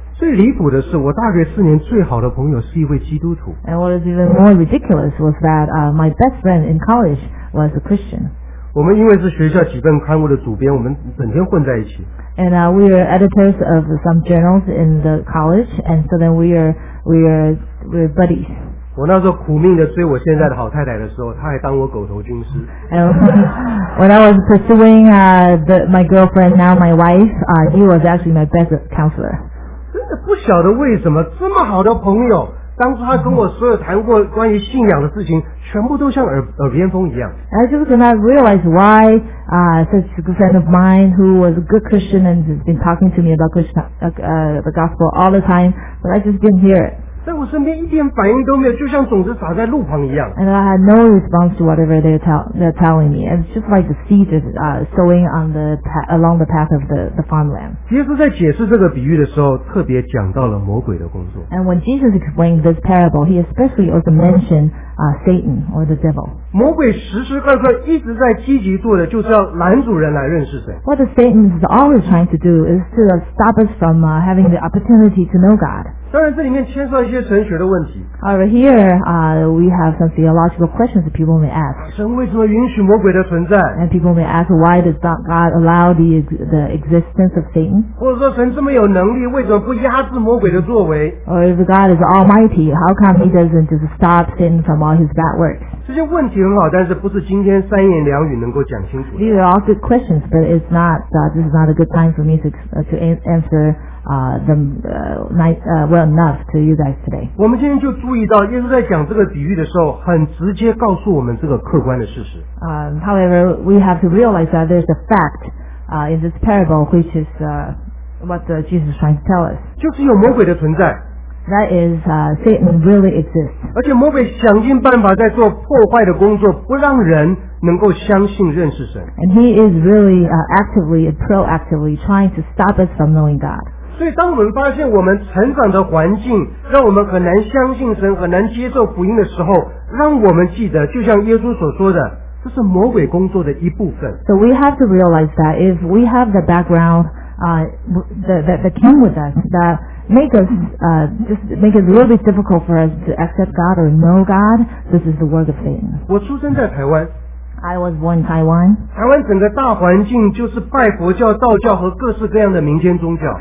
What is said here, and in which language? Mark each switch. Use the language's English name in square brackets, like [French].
[Chinese] 最离谱的是，我大学四年最好的朋友是一位基督徒。 [English] And what is even more ridiculous was that my best friend in college was a Christian. [Chinese] 我们因为是学校几份刊物的主编，我们整天混在一起。 [English] And we are editors of some journals in the college, and so then we are buddies. [Chinese] 我那时候苦命的追我现在的好太太的时候，她还当我狗头军师。 [English] And when I was pursuing my girlfriend, now my wife, he was actually my best counselor. [Chinese] 真的不晓得为什么这么好的朋友，当初他跟我所有谈过关于信仰的事情。全部都像耳边风一样。 [English] I just did not realize why such a good friend of mine who was a good Christian and has been talking to me about Christian, the gospel all the time, but I just didn't hear it. [Chinese] 在我身边一点反应都没有，就像种子撒在路旁一样。 [English] And I had no response to whatever they're telling me. And it's just like the seed is sowing on the path, along the path of the farmland. [Chinese] 耶稣在解释这个比喻的时候，特别讲到了魔鬼的工作。 [English] And when Jesus explained this parable, he especially also mentionedSatan or the devil. [Chinese] 魔鬼时时刻刻一直在积极做的，就是要拦阻人来认识神。 [English] What Satan is always trying to do is to stop us from having the opportunity to know God. [Chinese] 当然，这里面牵涉一些神学的问题。 [English] However, here we have some theological questions that people may ask. [Chinese] 神为什么允许魔鬼的存在 [English] ？And people may ask, why does God allow the existence of Satan? [Chinese] 或者说，神这么有能力，为什么不压制魔鬼的作为 [English] ？Or if God is Almighty, how come He doesn't just stop Satan from all his bad works? [Chinese] 这些问题很好，但是不是今天三言两语能够讲清楚的。 [English] These are all good questions, but it's not. This is not a good time for me to answer. Well enough to you guys today. [Chinese] 我们今天就注意到，耶稣在讲这个比喻的时候，很直接告诉我们这个客观的事实。 [English] However, we have to realize that there's a fact in this parable, which is what Jesus is trying to tell us. [Chinese] 就是有魔鬼的存在。 [English] That is, Satan really exists. [Chinese] 而且魔鬼想尽办法在做破坏的工作，不让人能够相信认识神。 [English] And he is really actively, proactively trying to stop us from knowing God. [Chinese] 所以当我们发现我们成长的环境让我们很难相信神很难接受福音的时候让我们记得就像耶稣所说的这是魔鬼工作的一部分。 [English] So we have to realize that if we have the background, that came with us, that make us, just make it a little bit difficult for us to accept God or know God, this is the work of Satan. [Chinese] 我出生在台湾。 [English] I was born in Taiwan. [Chinese] 台湾整个大环境就是拜佛教、道教和各式各样的民间宗教。